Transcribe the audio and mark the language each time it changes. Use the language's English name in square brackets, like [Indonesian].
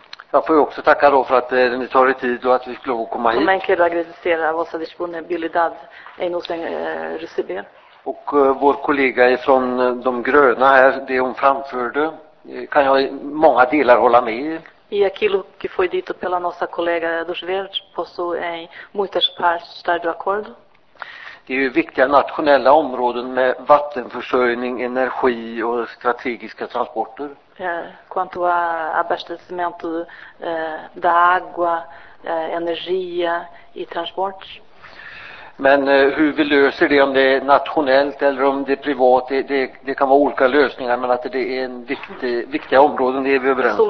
[Swedish] Jag får ju också tacka då för att ni tar er tid och att vi skulle komma hit. [Portuguese] Men quero agradecer a vossa disponibilidad en nos receber. [Swedish] Och vår kollega från de gröna här, det hon framförde, kan jag i många delar hålla med i. [Portuguese] E aquilo que foi dito pela nossa colega dos Verdes, posso em muitas partes estar de acordo. [Swedish] Det är ju viktiga nationella områden med vattenförsörjning, energi och strategiska transporter. [Portuguese] Quanto a abastecimento da água, energia e transportes. [Swedish] Men hur vi löser det, om det är nationellt eller om det är privat, det kan vara olika lösningar, men att det är en viktig område, det är vi överens om.